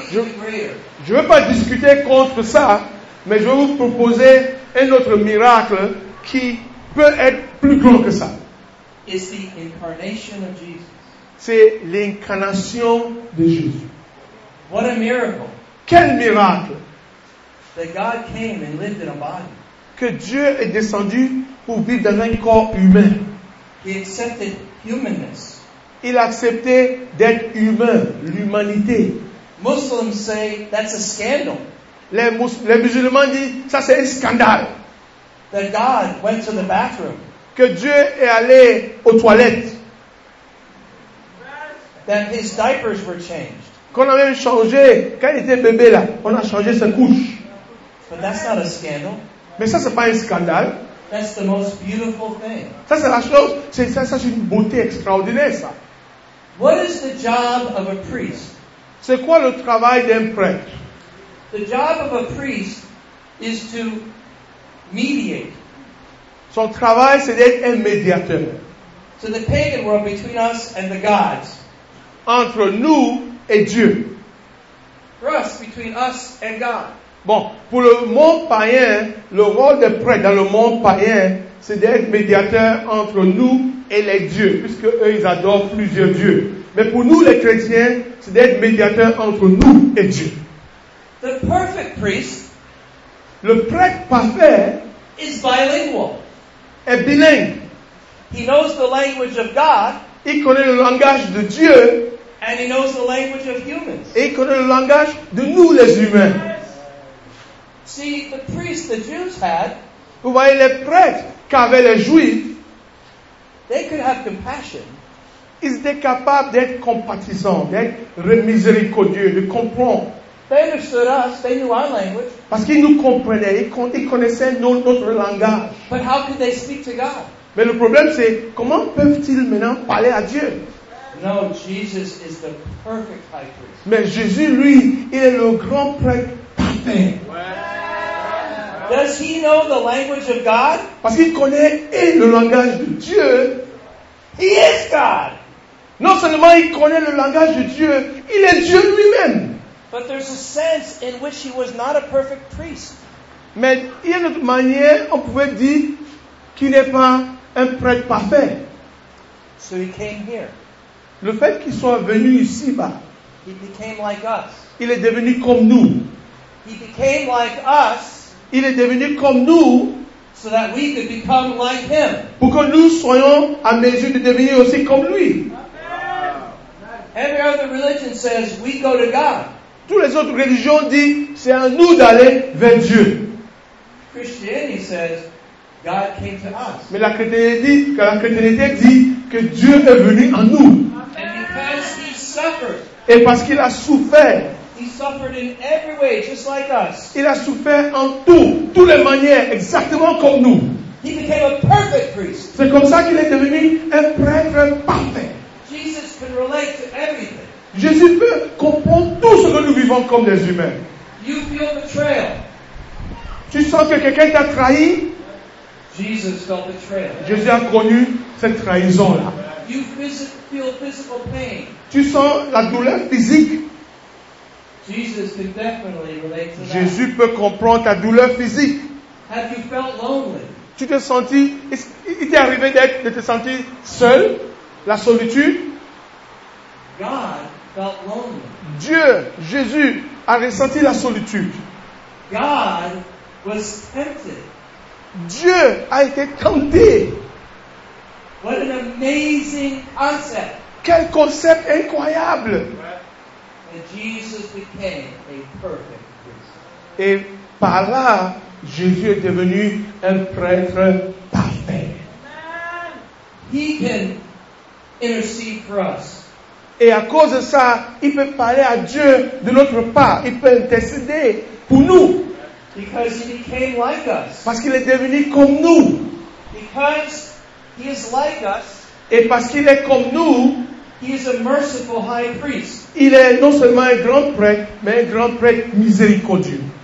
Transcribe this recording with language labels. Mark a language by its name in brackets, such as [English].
[French] je ne veux pas discuter contre ça, mais je vais vous proposer un autre miracle qui peut être plus grand que ça. [English] Is the incarnation of Jesus. [French] C'est l'incarnation de Jésus. [English] What a miracle. [French] Quel miracle. [English] That God came and lived in a body. [French] Que Dieu est descendu pour vivre dans un corps humain. [English] He accepted humanness. [French] Il a accepté d'être humain, l'humanité. [English] Muslims say that's a scandal. [French] Les musulmans disent ça c'est un scandale. [English] That God went to the bathroom. [French] Que Dieu est allé aux toilettes. [English] That his diapers were changed. [French] Qu'on a même changé, quand il était bébé là, on a changé sa couche. [English] But that's not a scandal. [French] Mais ça, ce n'est pas un scandale. [English] That's the most beautiful thing. [French] Ça, c'est la chose, c'est une beauté extraordinaire, ça. [English] What is the job of a priest? [French] C'est quoi le travail d'un prêtre? [English] The job of a priest is to mediate. [French] Son travail, c'est d'être un médiateur. [English] So the pagan world between us and the gods. [French] Entre nous et Dieu. [English] For us, between us and God. [French] Bon, pour le monde païen, le rôle des prêtres dans le monde païen, c'est d'être médiateur entre nous et les dieux, puisque eux, ils adorent plusieurs dieux. Mais pour nous, les chrétiens, c'est d'être médiateur entre nous et Dieu. [English] The perfect priest, [French] le prêtre parfait, [English] is bilingual. [French] Est bilingue. [English] He knows the language of God. [French] Il connaît le langage de Dieu. [English] And he knows the language of humans. [French] Et il connaît le langage de nous, les humains. [English] See, the priests the Jews had, [French] vous voyez, les prêtres qu'avaient les Juifs, [English] they could have compassion. [French] Ils étaient capables d'être compatissants, d'être miséricordieux, de comprendre. [English] They understood us, they knew our language. [French] Parce qu'ils nous comprenaient, ils connaissaient notre langage. [English] But how could they speak to God? [French] Mais le problème, c'est comment peuvent-ils maintenant parler à Dieu? [English] No, Jesus is the perfect high priest. [French] Mais Jésus, lui, il est le grand prêtre. [English] Does he know the language of God? [French] Parce qu'il connaît et le langage de Dieu. [English] He is God. [French] Non seulement il connaît le langage de Dieu, il est Dieu lui-même. [English] But there's a sense in which he was not a perfect priest. [French] Mais il y a une autre manière, on pouvait dire qu'il n'est pas un prêtre parfait. [English] So he came here. [French] Le fait qu'il soit venu ici bas. [English] He became like us. [French] Il est devenu comme nous. [English] He became like us. [French] Il est devenu comme nous. [English] So that we could become like him. [French] Pour que nous soyons à mesure de devenir aussi comme lui. [English] Every other religion says we go to God. [French] Toutes les autres religions disent c'est à nous d'aller vers Dieu. [English] Christianity says God came to us. [French] Mais la chrétienté dit que Dieu est venu en nous. [English] And because he suffered. [French] Et parce qu'il a souffert. [English] He suffered in every way, just like us. [French] Il a souffert en tout, toutes les manières, exactement comme nous. [English] He became a perfect priest. [French] C'est comme ça qu'il est devenu un prêtre parfait. [English] Jesus can relate to everything. [French] Jésus peut comprendre tout ce que nous vivons comme des humains. [English] You feel betrayal. [French] Tu sens que quelqu'un t'a trahi? [English] Jesus felt betrayal. [French] Jésus a connu cette trahison-là. [English] You feel physical pain. [French] Tu sens la douleur physique? [English] Jesus can definitely relate to that. [French] Jésus peut comprendre ta douleur physique. [English] Have you felt lonely? [French] Tu t'es senti, il t'est arrivé de te sentir seul, la solitude? [English] God felt lonely. [French] Dieu, Jésus, a ressenti la solitude. [English] God was tempted. [French] Dieu a été tenté. [English] What an amazing concept. [French] Quel concept incroyable! [English] And Jesus became a perfect priest. [French] Et par là, Jésus est devenu un prêtre parfait. [English] He can intercede for us. [French] Et à cause de ça, il peut parler à Dieu de notre part. Il peut intercéder pour nous. [English] Because he became like us. [French] Parce qu'il est devenu comme nous. [English] Because he is like us. [French] Et parce qu'il est comme nous. [English] He is a merciful high priest. [French] Il est non seulement un grand prêtre, mais un grand prêtre miséricordieux.